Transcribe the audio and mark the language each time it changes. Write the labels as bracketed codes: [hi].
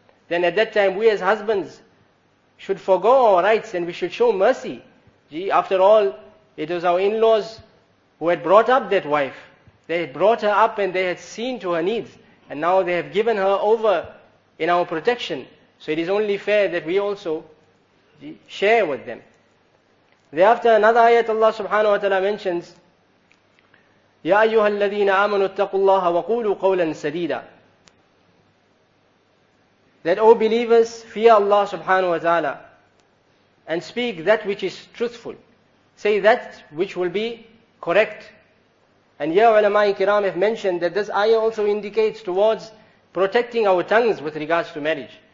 [en] Then at that time we as husbands should forego our rights and we should show mercy. Gee, after all, it was our in-laws who had brought up that wife. They had brought her up and they had seen to her needs. And now they have given her over in our protection. So it is only fair that we also share with them. Thereafter, another ayat Allah subhanahu wa ta'ala mentions, [ar] يَا أَيُّهَا الَّذِينَ آمَنُوا اتَّقُوا اللَّهَ وَقُولُوا قَوْلًا سَدِيدًا. [en] That, O believers, fear Allah subhanahu wa ta'ala and speak that which is truthful. Say that which will be correct. And here ulama-i kiram have mentioned that this ayah also indicates towards protecting our tongues with regards to marriage.